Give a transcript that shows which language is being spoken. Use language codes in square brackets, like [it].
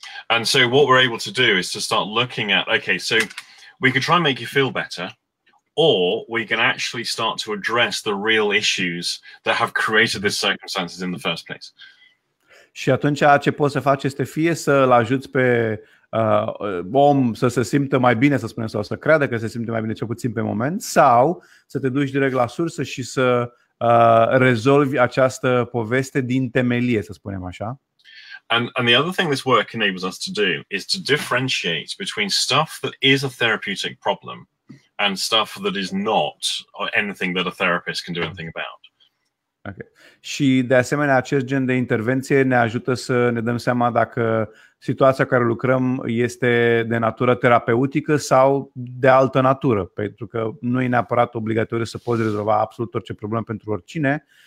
[en] And so what we're able to do is to start looking at, okay, so we could try and make you feel better, or we can actually start to address the real issues that have created the circumstances in the first place. [ro] Și atunci ce poți să faci este fie să-l ajuți pe om să se simtă mai bine, să spunem, sau să creadă că se simte mai bine, cel puțin pe moment, sau să te duci direct la sursă și să rezolvi această poveste din temelie, să spunem așa. [en] And the other thing this work enables us to do is to differentiate between stuff that is a therapeutic problem and stuff that is not or anything that a therapist can do anything about. Okay. [ro] Și de asemenea, acest gen de intervenție ne ajută să ne dăm seama dacă situația care lucrăm este de natură terapeutică sau de altă natură, pentru că nu e neapărat obligatoriu să poți rezolva absolut orice problemă pentru oricine.